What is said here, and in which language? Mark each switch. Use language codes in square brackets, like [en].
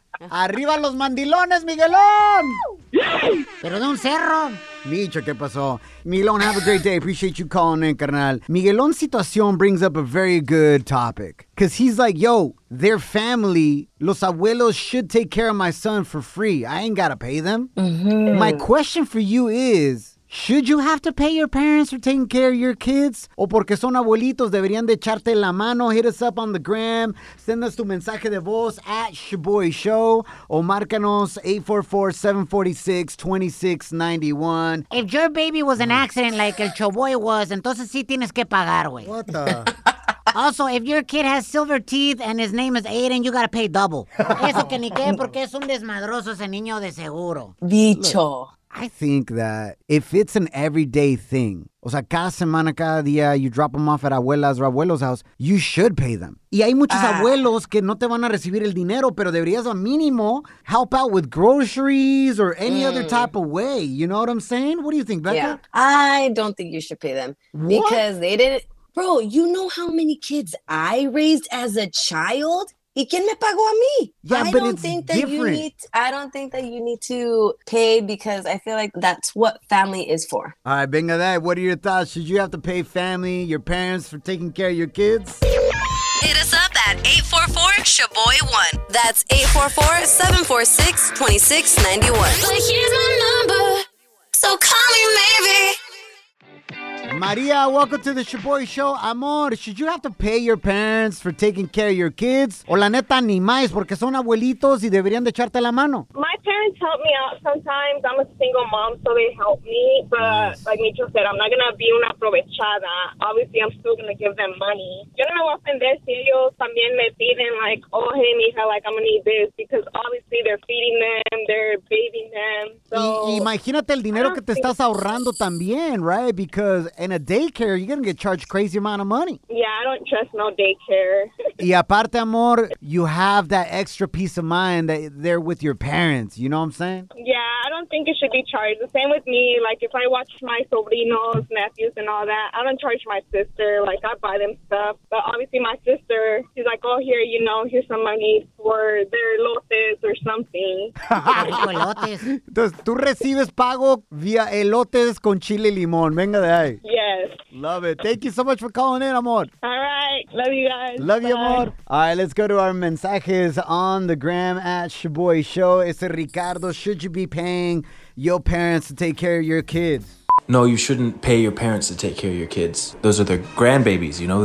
[es] ¡Arriba los mandilones, Miguelón! ¡Pero de un cerro! Micho, ¿qué pasó? [en] Miguelón, have a great day. Appreciate you calling in, carnal. Miguelón's situación brings up a very good topic. Because he's like, yo, their family, [es] los abuelos [en] should take care of my son for free. I ain't gotta pay them. Mm-hmm. My question for you is, should you have to pay your parents for taking care of your kids? [es] O porque son abuelitos, deberían de echarte la mano. [en] Hit us up on the gram. Send us [es] tu mensaje de voz [en] at Shaboy Show. [es] O márcanos 844-746-2691. [en] If your baby was an accident like el Choboy was, [es] entonces sí tienes que pagar, güey. [en] What the... Also, if your kid has silver teeth and his name is Aiden, you gotta pay double. [es] Eso que ni qué, porque es un desmadroso ese niño de seguro. Bicho. [en] I think that if it's an everyday thing, [es] o sea, cada semana, cada día, [en] you drop them off at abuelas or abuelos' house, you should pay them. [es] Y hay muchos abuelos que no te van a recibir el dinero, pero deberías a mínimo [en] help out with groceries or any other type of way. You know what I'm saying? What do you think, Becca? Yeah, I don't think you should pay them. What? Because they didn't... Bro, you know how many kids I raised as a child? [es] ¿Y quién me pagó a mí? [en] Yeah, I but don't it's think that different. You need, I don't think that you need to pay because I feel like that's what family is for. All right, venga, that. What are your thoughts? Should you have to pay family, your parents, for taking care of your kids? Hit us up at 844-SHABOY1. That's 844-746-2691. But here's my number, so call me maybe. Maria, welcome to the Shaboy Show. Amor, should you have to pay your parents for taking care of your kids? [es] O la neta, ni más, porque son abuelitos y deberían de echarte la mano. [en] My parents help me out sometimes. I'm a single mom, so they help me. But like Micho said, I'm not going to be [es] una aprovechada. [en] Obviously, I'm still going to give them money. [es] Yo no me voy a ofender si ellos también me piden, [en] like, oh, hey, mija, like, I'm going to need this. Because obviously, they're feeding them, they're bathing them. So [es] imagínate el dinero que te estás ahorrando también, right? [en] Because in a daycare, you're going to get charged a crazy amount of money. Yeah, I don't trust no daycare. [es] Y aparte, amor, [en] you have that extra peace of mind that they're with your parents. You know what I'm saying? Yeah, I don't think it should be charged. The same with me. Like, if I watch my sobrinos, nephews, and all that, I don't charge my sister. Like, I buy them stuff. But obviously, my sister, she's like, oh, here, you know, here's some money for their elotes or something. [es] Entonces, tú recibes pago vía elotes con chile y limón. Venga de ahí. [en] Yes. Love it. Thank you so much for calling in, amor. All right. Love you guys. Love you, amor. All right, let's go to our mensajes on the gram at Shaboy Show. It's Ricardo. Should you be paying your parents to take care of your kids? No, you shouldn't pay your parents to take care of your kids. Those are their grandbabies, you know?